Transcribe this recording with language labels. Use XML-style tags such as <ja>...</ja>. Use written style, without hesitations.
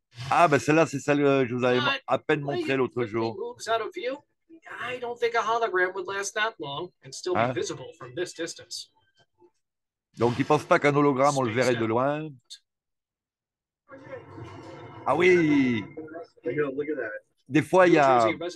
<fr>Ah, ben celle-là, c'est celle que je vous avais à peine montrée l'autre jour.</fr> <en>I don't think a hologram would last that long and still be visible from this distance.</en> <fr>Donc, ils pensent pas qu'un hologramme, on le verrait de loin. Ah oui! Des fois, il y a...</fr>